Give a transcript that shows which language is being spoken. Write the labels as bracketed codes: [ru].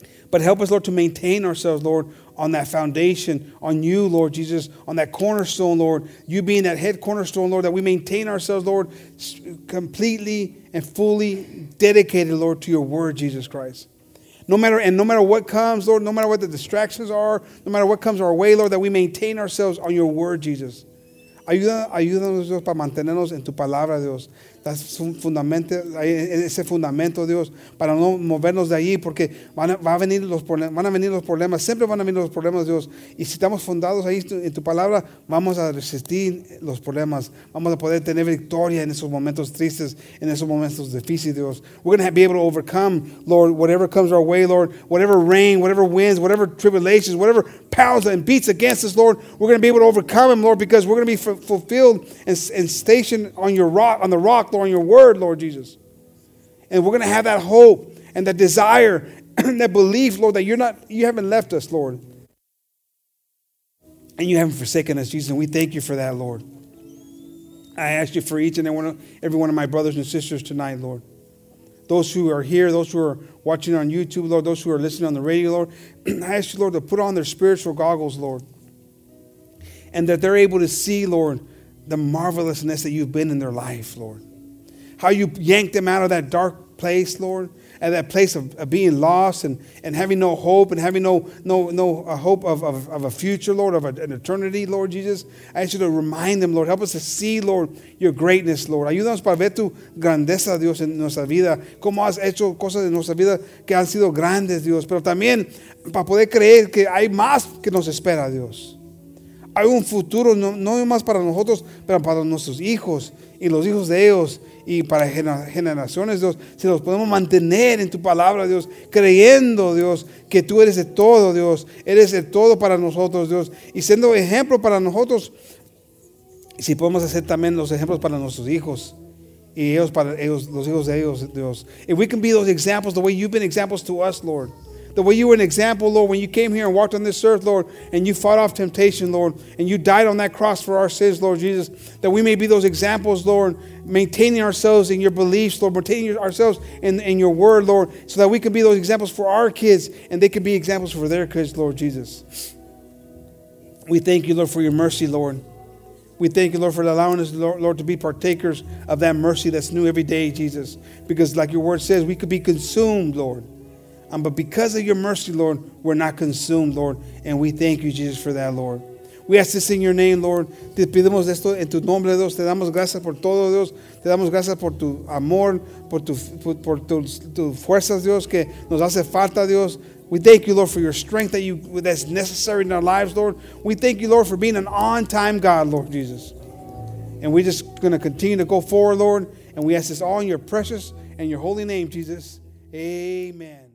[en] But help us, Lord, to maintain ourselves, Lord, on that foundation, on you, Lord Jesus, on that cornerstone, Lord, you being that head cornerstone, Lord, that we maintain ourselves, Lord, completely and fully dedicated, Lord, to your word, Jesus Christ. No matter what comes, Lord, no matter what the distractions are, no matter what comes our way, Lord, that we maintain ourselves on your word, Jesus. [es] Ayúdanos, Dios, para mantenernos en tu palabra, Dios. Es ese fundamento, Dios, para no movernos de allí, porque van a venir los problemas, siempre van a venir los problemas, Dios. Y si estamos fundados ahí en tu palabra, vamos a resistir los problemas. Vamos a poder tener victoria en esos momentos tristes, en esos momentos difíciles, Dios. [en] We're going to be able to overcome, Lord, whatever comes our way, Lord. Whatever rain, whatever winds, whatever tribulations, whatever pounds and beats against us, Lord. We're going to be able to overcome them, Lord, because we're going to be fulfilled and stationed on your rock, on the rock, Lord, in your word, Lord Jesus. And we're going to have that hope and that desire and that belief, Lord, that you haven't left us, Lord. And you haven't forsaken us, Jesus. And we thank you for that, Lord. I ask you for each and every one of my brothers and sisters tonight, Lord. those who are here, those who are watching on YouTube, Lord, those who are listening on the radio, Lord. I ask you, Lord, to put on their spiritual goggles, Lord, and that they're able to see, Lord, the marvelousness that you've been in their life, Lord. How you yanked them out of that dark place, Lord, and that place of being lost and having no hope and having no hope of a future, Lord, of an eternity, Lord Jesus. I ask you to remind them, Lord. Help us to see, Lord, your greatness, Lord. [es] Ayúdanos para ver tu grandeza, Dios, en nuestra vida. Cómo has hecho cosas en nuestra vida que han sido grandes, Dios. Pero también para poder creer que hay más que nos espera, Dios. Hay un futuro, no más para nosotros, pero para nuestros hijos y los hijos de ellos y para generaciones, Dios. Si los podemos mantener en tu palabra, Dios, creyendo, Dios, que tú eres de todo, Dios. Eres de todo para nosotros, Dios. Y siendo ejemplo para nosotros, si podemos hacer también los ejemplos para nuestros hijos y ellos para ellos, los hijos de ellos, Dios. [en] If we can be those examples the way you've been examples to us, Lord. The way you were an example, Lord, when you came here and walked on this earth, Lord, and you fought off temptation, Lord, and you died on that cross for our sins, Lord Jesus, that we may be those examples, Lord, maintaining ourselves in your beliefs, Lord, maintaining ourselves in your word, Lord, so that we can be those examples for our kids and they can be examples for their kids, Lord Jesus. We thank you, Lord, for your mercy, Lord. We thank you, Lord, for allowing us, Lord, to be partakers of that mercy that's new every day, Jesus, because like your word says, we could be consumed, Lord. But because of your mercy, Lord, we're not consumed, Lord. And we thank you, Jesus, for that, Lord. We ask this in your name, Lord. [es] Te pedimos esto en tu nombre, Dios. Te damos gracias por todo, Dios. Te damos gracias por tu amor, por tu fuerzas, Dios, que nos hace falta, Dios. [en] We thank you, Lord, for your strength that's necessary in our lives, Lord. We thank you, Lord, for being an on-time God, Lord Jesus. And we're just going to continue to go forward, Lord. And we ask this all in your precious and your holy name, Jesus. Amen.